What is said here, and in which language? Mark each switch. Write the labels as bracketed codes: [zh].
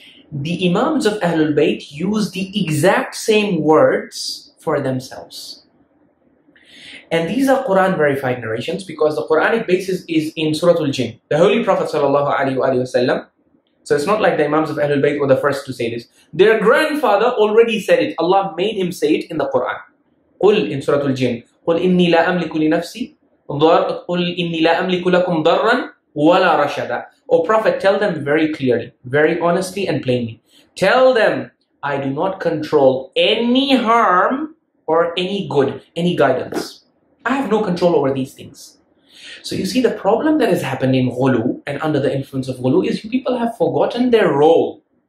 [en] The Imams of Ahlul Bayt use the exact same words for themselves. And these are Quran verified narrations, because the Quranic basis is in Surah Al-Jinn, the Holy Prophet sallallahu alaihi wasallam. So it's not like the Imams of Ahlul Bayt were the first to say this. Their grandfather already said it. Allah made him say it in the Quran. [ar] قُلْ in Surah Al-Jinn. قُلْ إِنِّي لَا أَمْلِكُ لِنَفْسِي قُلْ إِنِّي لَا أَمْلِكُ لَكُمْ ضَرًّا wala rashada. [en] O Prophet, tell them very clearly, very honestly and plainly. Tell them, I do not control any harm or any good, any guidance. I have no control over these things. So you see, the problem that has happened in ghulu and under the influence of ghulu is people have forgotten their role.